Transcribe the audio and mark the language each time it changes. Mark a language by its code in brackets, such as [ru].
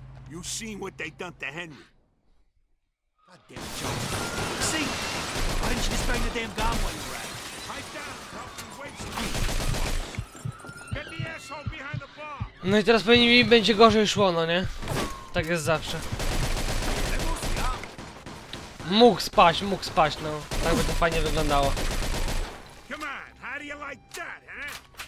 [en] You seen what they done to Henry? God damn it, Joe. See? Why didn't you just bang the damn gun while you were at it? Pipe down, help me wait some time. Get the asshole behind the bar! [pl] No i teraz pewnie mi będzie gorzej szło, no nie? Tak jest zawsze. Mógł spaść, no. Tak by to fajnie wyglądało. [en] Come on, how do you like that, eh?